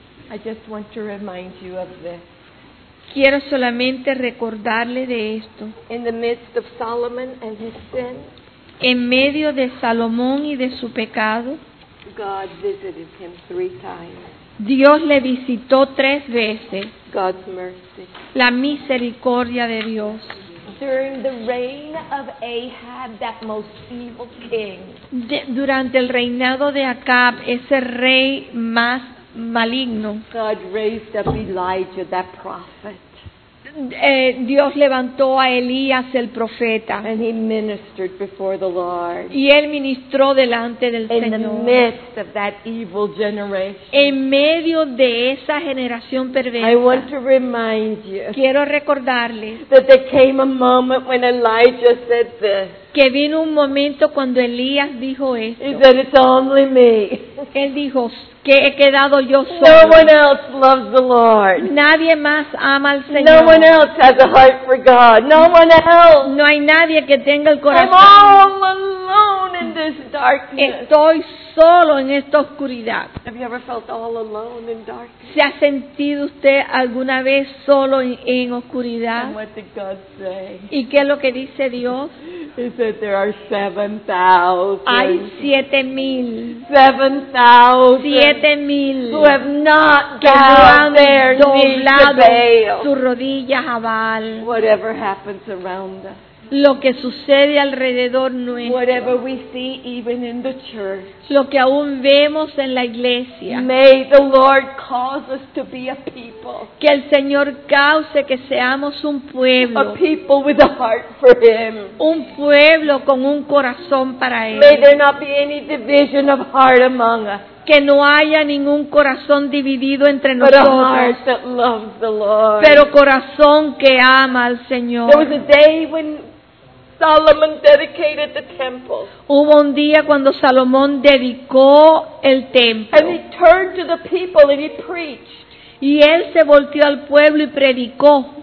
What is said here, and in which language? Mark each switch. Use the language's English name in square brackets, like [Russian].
[English] I just want to remind you of this. [Spanish] Quiero solamente recordarle de esto. [English] In the midst of Solomon and his sin, [Spanish] en medio de Salomón y de su pecado, [English] God visited him three times. [Spanish] Dios le visitó tres veces. [English] God's mercy. [Spanish] La misericordia de Dios. [English] During the reign of Ahab, that most evil king. [Spanish] Durante el reinado de Acab, ese rey más maligno. [English] God raised up Elijah, that prophet. [Spanish] Dios levantó a Elías, el profeta. [English] And he ministered before the Lord. [Spanish] Y él ministró delante del [English] In [Spanish] Señor. [English] The midst of that evil generation. [Spanish] En medio de esa generación perversa. [English] I want to remind you. [Spanish] Quiero recordarle. [English] That there came a moment when Elijah said this. [Spanish] Que vino un momento cuando Elías dijo esto. [English] He said, it's only me. [Spanish] Él dijo, que he quedado yo solo. [English] No one else loves the Lord. [Spanish] Nadie más ama al Señor. [English] No one else has a heart for God. No one else. [Spanish] No hay nadie que tenga el corazón. [English] I'm all alone in this darkness. [Spanish] Estoy solo en esta oscuridad. [English] Have you ever felt all alone in darkness? [Spanish] ¿Se ha sentido usted alguna vez solo en oscuridad? [English] And what did God say? [Spanish] ¿Y qué es lo que dice Dios? [English] He said there are 7,000. [Spanish] Hay 7,000. 7,000. 7,000. [English] Who have not bowed their knees to Baal. [Spanish] Sus rodillas a Baal. [English] Whatever happens around us. [Spanish] Lo que sucede alrededor nuestro. [English] Whatever we see even in the church. [Spanish] Lo que aún vemos en la iglesia. [English] May the Lord cause us to be a people. [Spanish] Que el Señor cause que seamos un pueblo. [English] A people with a heart for Him. [Spanish] Un pueblo con un corazón para Él. [English] May there not be any division of heart among us. [Spanish] Que no haya ningún corazón dividido entre nosotros, pero corazón que ama al Señor. [English] There was a day when Solomon dedicated the temple. [Spanish] Hubo un día cuando Salomón dedicó el templo. [English] And he turned to the people and he preached. [Spanish] Y él se volteó al pueblo y predicó.